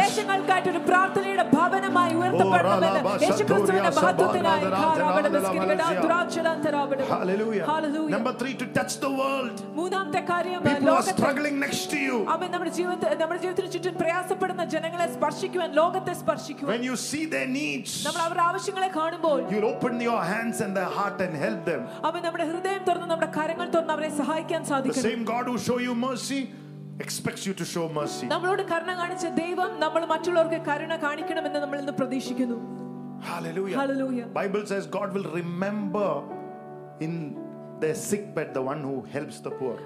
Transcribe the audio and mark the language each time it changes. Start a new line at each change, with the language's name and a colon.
Malayalam: ദേശങ്ങൾക്കായിട്ട് ഒരു പ്രാർത്ഥനയുടെ ഭവനമായി ഉയർത്തപ്പെടണമെന്ന് യേശുക്രിസ്തുവിന്റെ മഹത്വത്തിനായി ദുരാചരണത്തിലാവണം.
English: Hallelujah. Hallelujah. Number 3, to touch the world.
Malayalam: മൂന്നാമത്തെ കാര്യം
English: people are struggling next to you.
Malayalam: അമേ നമ്മുടെ ജീവിതത്തിൽ ചുറ്റും പ്രയാസപ്പെടുന്ന ജനങ്ങളെ സ്പർശിക്കുക ലോകത്തെ സ്പർശിക്കുക.
English: When you see their needs.
Malayalam: നമ്മൾ അവരുടെ ആവശ്യങ്ങളെ കാണുമ്പോൾ
English: you open your hands and their heart and help them.
Malayalam: അമേ നമ്മുടെ ഹൃദയം തുറന്ന് നമ്മുടെ കരങ്ങൾ തുറന്ന് അവരെ സഹായിക്കാൻ സാധിക്കണം.
English: The same God who show you mercy expects you to show mercy.
Malayalam: നമ്മളോട് കരുണ കാണിച്ച ദൈവം നമ്മൾ മറ്റുള്ളവർക്ക് കരുണ കാണിക്കണമെന്ന് നമ്മൾ ഇന്ന് പ്രതീക്ഷിക്കുന്നു.
English: Hallelujah. Hallelujah. Bible says God will remember in their sick bed the one who helps the poor.